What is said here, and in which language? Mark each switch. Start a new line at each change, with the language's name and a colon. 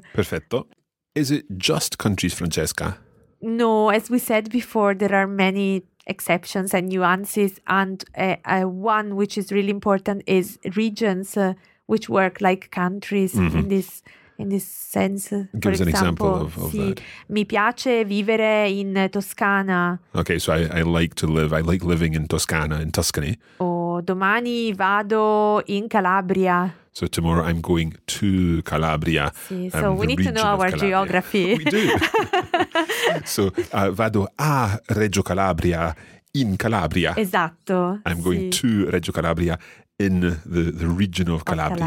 English: Perfetto. Is it just countries, Francesca? No, as we said before, there are many exceptions and nuances, and one which is really important is regions which work like countries mm-hmm. in this sense. Give us an example of
Italian: sì,
English: that.
Italian: Mi piace vivere in Toscana.
English: Okay, so I like to live. I like living in Toscana, in Tuscany. Or
Italian: domani vado in Calabria.
English: So tomorrow I'm going to Calabria. Sì, so we need to know our geography. We do. So
Italian: vado a Reggio Calabria in Calabria. Esatto.
English: I'm going to Reggio Calabria in the region of Calabria.